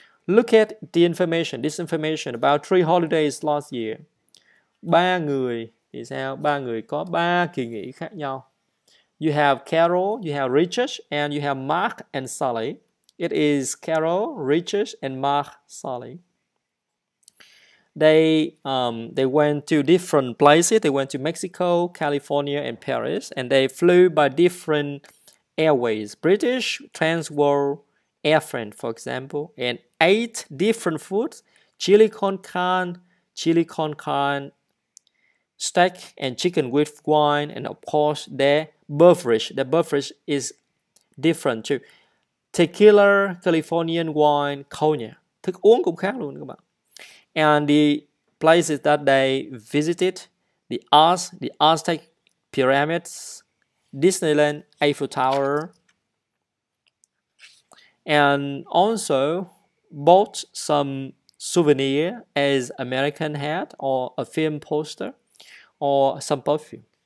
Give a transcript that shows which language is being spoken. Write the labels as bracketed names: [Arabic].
[English] Look at the information, this information about three holidays last year. [Vietnamese] Ba người thì sao? Ba người có ba kỳ nghỉ khác nhau. [English] You have Carol, you have Richard, and you have Mark and Sally. It is Carol, Richard, and Mark, Sally. They went to different places. They went to Mexico, California, and Paris. And they flew by different airways. British, Transworld, Air France, for example. And ate different foods. Chili con carne, steak and chicken with wine, and of course their beverage is different too. Tequila, Californian wine, cognac, [Vietnamese] thức uống cũng khác luôn các bạn. [English] And the places that they visited, the Aztec pyramids, Disneyland, Eiffel Tower, and also bought some souvenir as American hat or a film poster or some perfume.